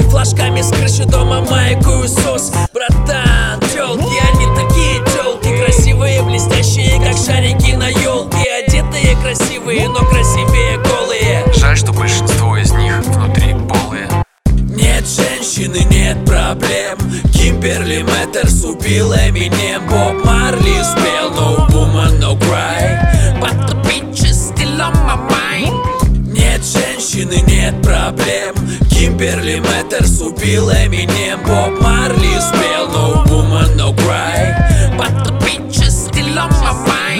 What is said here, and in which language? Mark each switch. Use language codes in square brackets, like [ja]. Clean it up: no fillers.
[ru] Флажками с крыши дома маякую сос. Братан, тёлки, они такие тёлки. Красивые, блестящие, как шарики на ёлке. Одетые красивые, но красивее голые. Жаль, что большинство из них внутри полые. Нет женщины, нет проблем. Кимберли Мэттерс убил Эминем. Боб Марли спел No Woman No Cry. [en] But the bitch is still on my mind. [ru] Нет женщины, нет проблем. Кимберли Мэттерс убил Эминем. Боб Марли спел No Woman No Cry. [en] But the bitch is still on my mind.